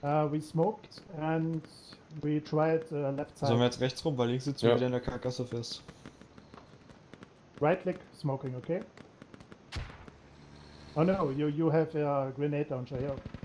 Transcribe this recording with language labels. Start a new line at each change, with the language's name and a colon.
English: We smoked and we tried left side.
German: Sollen wir jetzt rechts rum, weil links sitzen wir wieder in der Karkasse fest.
English: Right click smoking, okay? Oh no, you have a grenade launcher here.